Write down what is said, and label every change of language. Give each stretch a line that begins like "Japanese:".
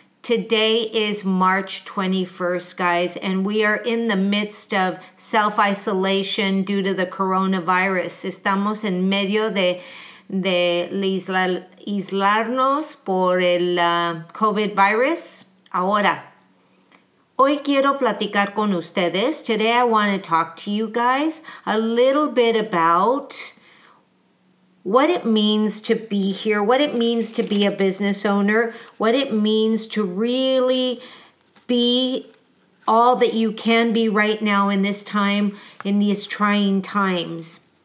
English: Today is March 21st, guys, and we are in the midst of self-isolation due to the coronavirus.
Spanish: Estamos en medio de aislarnos por el COVID virus. Ahora, hoy quiero platicar con ustedes.
English: Today I want to talk to you guys a little bit about what it means to be here, what it means to be a business owner, what it means to really be all that you can be right now in this time, in these trying times.